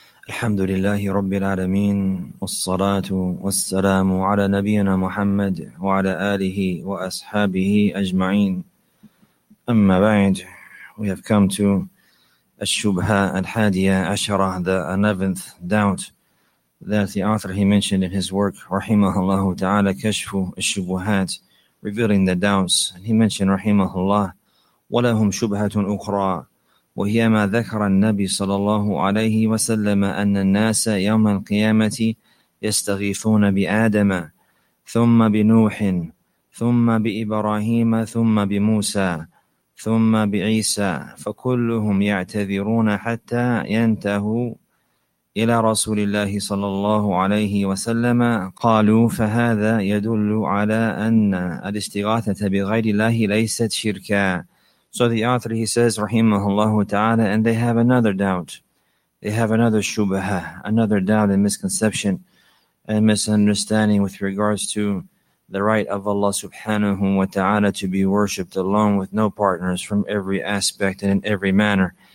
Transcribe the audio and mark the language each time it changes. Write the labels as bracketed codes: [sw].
[ar] الحمد لله رب العالمين، والصلاة والسلام على نبينا محمد وعلى آله وأصحابه أجمعين. أما بعد، [en] we have come to [ar] الشبهة الحادية عشرة, [en] the 11th doubt that the author he mentioned in his work رحمه الله تعالى كشف الشبهات, revealing the doubts. And he mentioned [ar] رحمه الله ولهم شبهة أخرى وهي ما ذكر النبي صلى الله عليه وسلم أن الناس يوم القيامة يستغيثون بآدم ثم بنوح ثم بإبراهيم ثم بموسى ثم بعيسى فكلهم يعتذرون حتى ينتهوا إلى رسول الله صلى الله عليه وسلم. قالوا فهذا يدل على أن الاستغاثة بغير الله ليست شركا. [en] So the author, he says, rahimahullah ta'ala, and they have another doubt. They have another shubha, another doubt and misconception and misunderstanding with regards to the right of Allah subhanahu wa ta'ala to be worshipped alone with no partners from every aspect and in every manner.